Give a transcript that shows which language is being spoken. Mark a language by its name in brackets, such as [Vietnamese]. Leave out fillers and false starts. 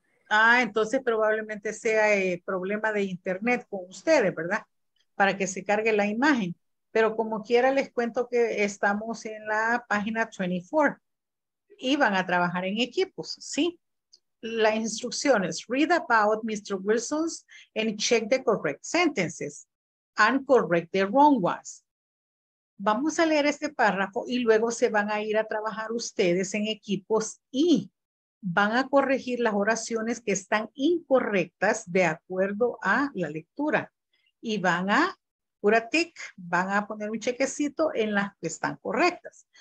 [Spanish] Ah, entonces probablemente sea problema de internet con ustedes, ¿verdad? Para que se cargue la imagen. Pero como quiera, les cuento que estamos en la página 24 y van a trabajar en equipos, ¿sí? Las instrucciones, [English] read about Mr. Wilson's and check the correct sentences and correct the wrong ones. [Spanish] Vamos a leer este párrafo y luego se van a ir a trabajar ustedes en equipos y van a corregir las oraciones que están incorrectas de acuerdo a la lectura y van a pura tic, van a poner un chequecito en las que están correctas.